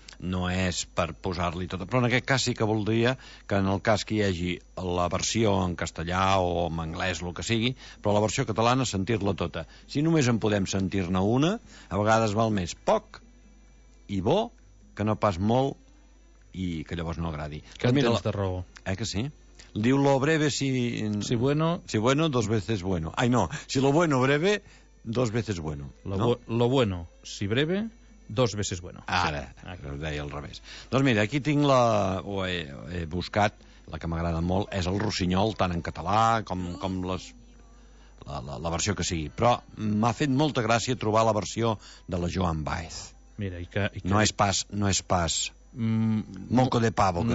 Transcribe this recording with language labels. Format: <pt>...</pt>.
<ca>No és per posar-li tot, però en aquest cas sí que voldria que, en el cas que hi hagi la versió en castellà o en anglès, el que sigui, però la versió catalana, sentir-la tota. Si només en podem sentir-ne una, a vegades val més poc i bo que no pas molt i que llavors no agradi. Que tens de raó. Que sí? Diu:</ca> <es>lo breve si bueno, dos veces bueno. Ay, no, si lo bueno breve, dos veces bueno. Lo bueno si breve, dos veces bueno.</es> <ca>Ara, sí, ho deia al revés. Doncs mira, aquí tinc la... ho he buscat, la que m'agrada molt, és el Rossinyol, tant en català com les... la versió que sigui. Però m'ha fet molta gràcia trobar la versió de la Joan Baez. Mira, i que... No és pas...</ca> <es>moco de pavo,</es> <ca>que</ca>